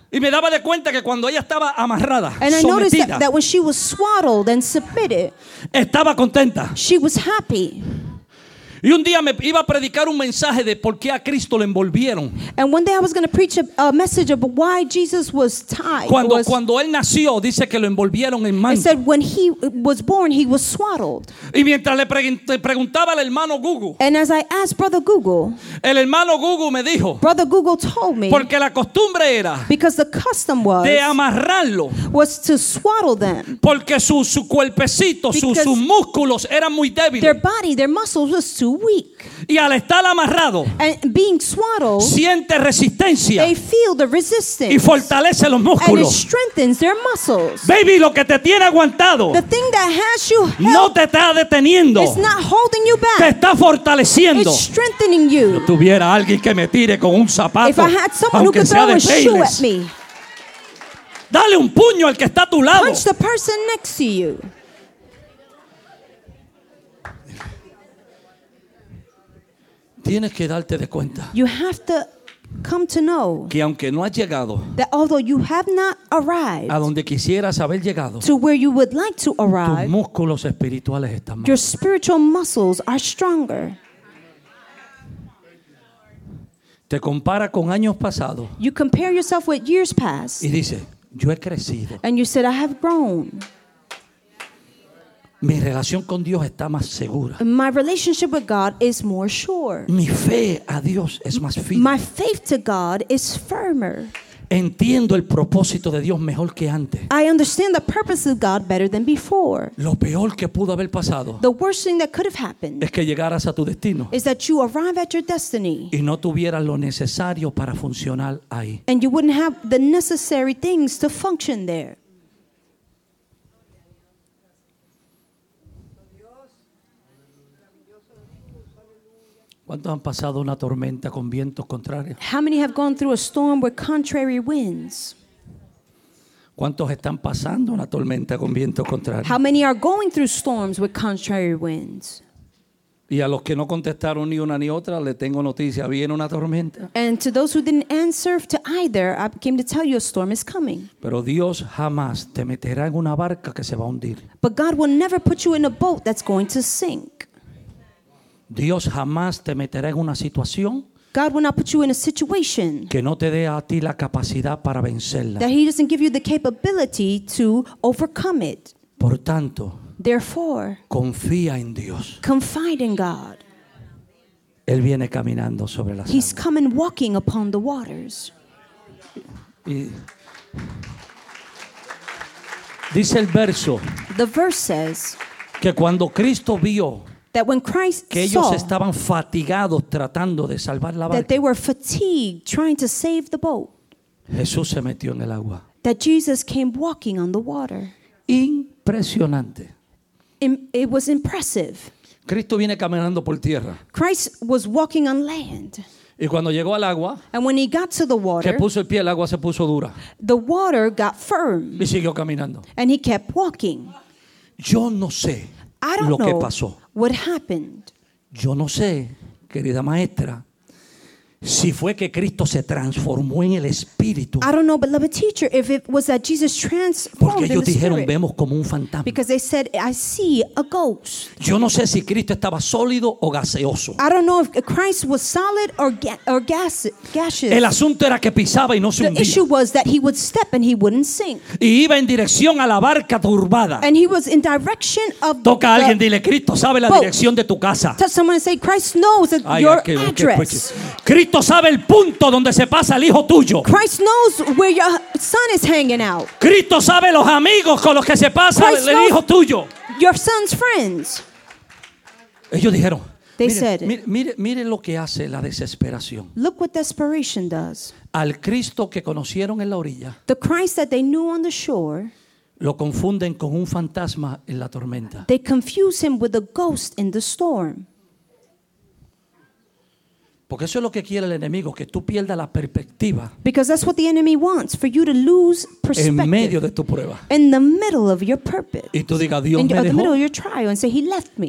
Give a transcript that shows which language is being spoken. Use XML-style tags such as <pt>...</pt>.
<es>Y me daba de cuenta que cuando ella estaba amarrada,</es> <en>and</en> <es>sometida,</es> <en>I noticed that when she was swaddled and submitted,</en> <es>estaba contenta.</es> <en>She was happy.</en> <es>Y un día me iba a predicar un mensaje de por qué a Cristo le envolvieron.</es> <en>And one day I was going to preach a message of why Jesus was tied.</en> <es>Cuando él nació, dice que lo envolvieron en manto.</es> <en>It said when he was born, he was swaddled.</en> <es>Y mientras le preguntaba al hermano Google.</es> <en>And as I asked Brother Google.</en> <es>El hermano Google me dijo.</es> <en>Brother Google told me.</en> <es>Porque la costumbre era.</es> <en>Because the custom was.</en> <es>De amarrarlo.</es> <en>Was to swaddle them.</en> <es>Porque su cuerpecito, sus músculos eran muy débiles.</es> <en>Their body, their muscles was too weak.</en> <es>Y al estar amarrado,</es> <en>and being swaddled,</en> <es>siente resistencia.</es> <en>They feel the resistance.</en> <es>Y fortalece los músculos.</es> <en>And it strengthens their muscles.</en> <es>Baby, lo que te tiene aguantado,</es> <en>the thing that has you held,</en> <es>no te está deteniendo.</es> <en>It's not holding you back.</en> <es>Te está fortaleciendo.</es> <en>It's strengthening you.</en> <es>Si tuviera alguien que me tire con un zapato,</es> <en>if I had someone who could throw a shoe at me,</en> <es>dale un puño al que está a tu lado.</es> <en>Punch the person next to you.</en> <es>Tienes que darte de cuenta.</es> <en>You have to come to know.</en> <es>Que aunque no has llegado.</es> <en>That although you have not arrived.</en> <es>A donde quisieras haber llegado.</es> <en>To where you would like to arrive.</en> <es>Tus músculos espirituales están más.</es> <en>Your spiritual muscles are stronger.</en> <es>Te compara con años pasados.</es> <en>You compare yourself with years past.</en> <es>Y dice, yo he crecido.</es> <en>And you said, I have grown.</en> <es>Mi relación con Dios está más segura.</es> <en>My relationship with God is more sure.</en> <es>Mi fe a Dios es más firme.</es> <en>My faith to God is firmer.</en> <es>Entiendo el propósito de Dios mejor que antes.</es> <en>I understand the purpose of God better than before.</en> <es>Lo peor que pudo haber pasado.</es> <en>The worst thing that could have happened.</en> <es>Es que llegaras a tu destino.</es> <en>Is that you arrive at your destiny.</en> <es>Y no tuvieras lo necesario para funcionar ahí.</es> <en>And you wouldn't have the necessary things to function there.</en> <es>¿Cuántos han pasado una tormenta con vientos contrarios?</es> <en>How many have gone through a storm with contrary winds?</en> <es>¿Cuántos están pasando una tormenta con vientos contrarios?</es> <en>How many are going through storms with contrary winds?</en> <es>Y a los que no contestaron ni una ni otra, le tengo noticia, viene una tormenta.</es> <en>And to those who didn't answer to either, I came to tell you a storm is coming.</en> <es>Pero Dios jamás te meterá en una barca que se va a hundir.</es> <en>But God will never put you in a boat that's going to sink.</en> <es>Dios jamás te meterá en una situación.</es> <en>God will not put you in a situation</en> <es>que no te dé a ti la capacidad para vencerla.</es> <en>That he doesn't give you the capability to overcome it.</en> <es>Por tanto,</es> <en>therefore,</en> <es>confía en Dios.</es> <en>Confide in God.</en> <es>Él viene caminando sobre las aguas.</es> <en>He's coming walking upon the waters. Y</en> <es>dice el verso.</es> <en>The verse says</en> <es>que cuando Cristo vio</es> <en>that when Christ</en> <es>que ellos</es> <en>saw</en> <es>estaban fatigados tratando de salvar la barca,</es> <en>that they were fatigued trying to save the boat,</en> <es>Jesús se metió en el agua.</es> <en>That Jesus came walking on the water.</en> <es>Impresionante.</es> <en>It was impressive.</en> <es>Cristo viene caminando por tierra.</es> <en>Christ was walking on land.</en> <es>Y cuando llegó al agua,</es> <en>and when he got to the water,</en> <es>que puso el pie, el agua se puso dura.</es> <en>The water got firm.</en> <es>Y siguió caminando.</es> <en>And he kept walking.</en> <es>Yo no sé lo que pasó.</es> <en>What happened?</en> <es>Yo no sé, querida maestra, si fue que Cristo se transformó en el Espíritu.</es> <en>I don't know, beloved teacher, if it was that Jesus transformed in the Spirit.</en> <es>Porque ellos dijeron, vemos como un fantasma.</es> <en>Because they said, I see a ghost.</en> <es>Yo no sé si Cristo estaba sólido o gaseoso.</es> <en>I don't know if Christ was solid or gaseous.</en> <es>El asunto era que pisaba y no se hundía.</es> <en>The issue was that he would step and he wouldn't sink.</en> <es>Y iba en dirección a la barca turbada.</es> <en>And he was in direction of the boat.</en> <es>Toca a alguien, dile, Cristo sabe la dirección de tu casa.</es> <en>Touch someone and say, Christ knows your address.</en> <es>Cristo sabe el punto donde se pasa el hijo tuyo.</es> <en>Christ knows where your son is hanging out.</en> <es>Cristo sabe los amigos con los que se pasa</es> <en>Christ</en> <es>el hijo tuyo.</es> <en>Your son's friends.</en> <es>Ellos dijeron.</es> <en>They</en> <es>mire,</es> <en>said.</en> <es>Mire lo que hace la desesperación.</es> <en>Look what desperation does.</en> <es>Al Cristo que conocieron en la orilla.</es> <en>The Christ that they knew on the shore.</en> <es>Lo confunden con un fantasma en la tormenta.</es> <en>They confuse him with a ghost in the storm.</en> <es>Porque eso es lo que quiere el enemigo, que tú pierdas la perspectiva.</es> <en>Because that's what the enemy wants, for you to lose perspective.</en> <es>En medio de tu prueba.</es> <en>In the middle of your purpose.</en> <es>Y tú digas, Dios me dejó.</es> <en>In the middle of your trial and say, he left me.</en>